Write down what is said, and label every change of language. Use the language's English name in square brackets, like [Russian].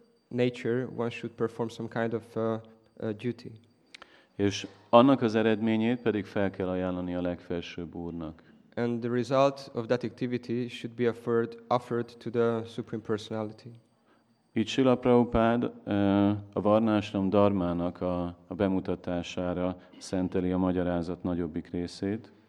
[English] nature, one should perform some kind of duty. [Hungarian] És annak az eredményét pedig fel kell ajánlani a legfelsőbb úrnak. [English] And the result of that activity should be offered to the Supreme Personality. [Hungarian] Itt Srila Prabhupád a Varnásram Dharmának a bemutatására szenteli a magyarázat nagyobbik részét.